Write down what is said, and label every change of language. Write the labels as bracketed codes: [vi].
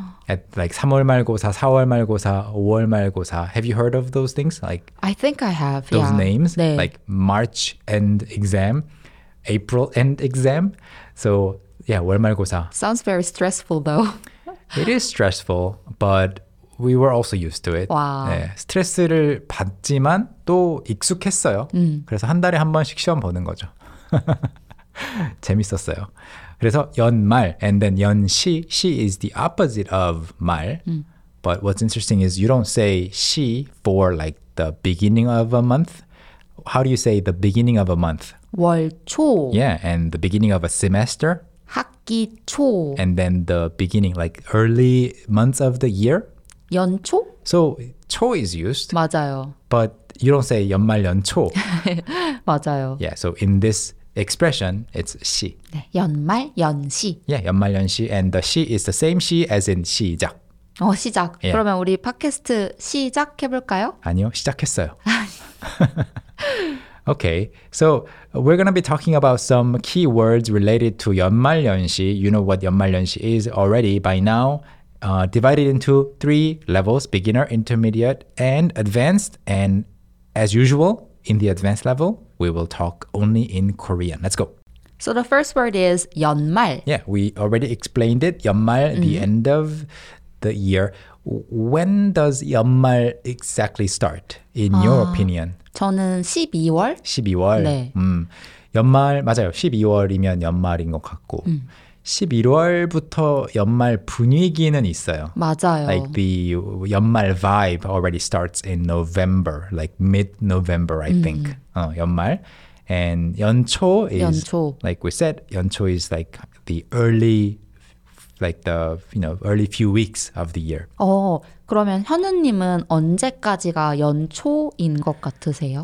[en] At like [ko] 3월말고사, 4월말고사, 5월말고사. [en] Have you heard of those things? Like I think I have. Those yeah. names? 네. Like March end exam, April end exam. So yeah, 월말고사. Sounds very stressful though. It is stressful, but we were also used to it. Wow. 네, [ko] 스트레스를 받지만 또 익숙했어요. 그래서 한 달에 한 번씩 시험 보는 거죠. 재밌었어요. 그래서 [en] 연말, and then 연시, 시 is the opposite of 말. But what's interesting is you don't say 시 for like the beginning of a month. How do you say the beginning of a month? [ko] 월초. [en] Yeah, and the beginning of a semester. [ko] 학기 초. [en] And then the beginning, like early months of the year. [ko] 연초? [en] So 초 is used. [ko] 맞아요. [en] But you don't say 연말 연초. [ko] 맞아요. [en] Yeah, so in this expression, it's 시. [ko] 네, 연말 연시. [en] Yeah, 연말 연시. And the 시 is the same 시 as in 시작. [ko] 시작. Yeah. 그러면 우리 팟캐스트 시작해볼까요? 아니요, 시작했어요. [en] Okay, so we're going to be talking about some key words related to 연말연시. You know what 연말연시 is already by now. Divided into 3 levels, beginner, intermediate, and advanced. And as usual, in the advanced level, we will talk only in Korean. Let's go. So the first word is 연말. Yeah, we already explained it. 연말, the end of the year. When does 연말 exactly start, in your opinion? [ko] 저는 12월. 12월. 네. 연말, 맞아요. 12월이면 연말인 것 같고. 11월부터 연말 분위기는 있어요. 맞아요. [en] Like the 연말 vibe already starts in November, like mid-November, I think. 연말. And 연초 is, [ko] 연초. [en] Like we said, 연초 is like the early, like the, you know, early few weeks of the year. [ko] 그러면 현우님은 언제까지가 연초인 것 같으세요?